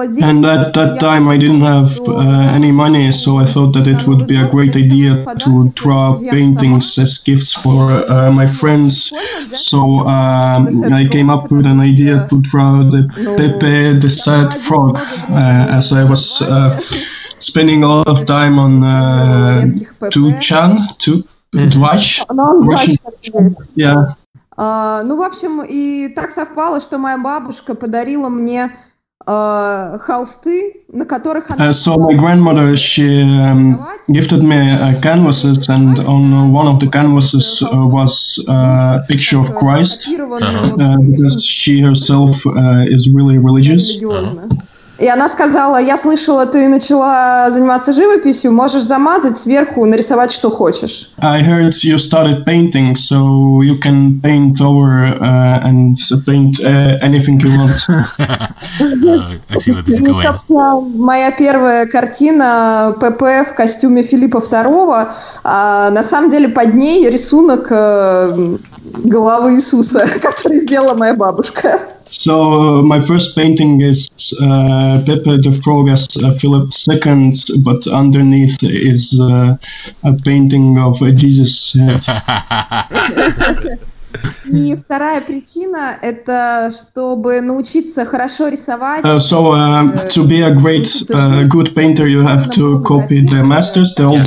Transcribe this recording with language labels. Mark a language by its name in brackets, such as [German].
[English] And at that time I didn't have any money, so I thought that it would be a great idea to draw paintings as gifts for my friends. So I came up with an idea to draw the Pepe the Sad Frog, as I was spending a lot of time on 2chan, Dvash, Russian. Yeah. [Russian] Ну, в общем, и так совпало, что моя бабушка подарила мне холсты, на которых она... [English] So my grandmother, she gifted me canvases, and on one of the canvases was a picture of Christ, because she herself is really religious. [Russian] И она сказала, я слышала, ты начала заниматься живописью, можешь замазать сверху, нарисовать, что хочешь. [English] I heard you started painting, so you can paint over and paint anything you want. I see what this is going. [Russian] И, собственно, моя первая картина ПП в костюме Филиппа II, на самом деле под ней рисунок головы Иисуса, который сделала моя бабушка. [English] So my first painting is Pepe the Frog as Philip II, but underneath is a painting of Jesus' head. [Russian] И вторая причина – это чтобы научиться хорошо рисовать. [English] To be a great, good painter, you have to copy the masters, the old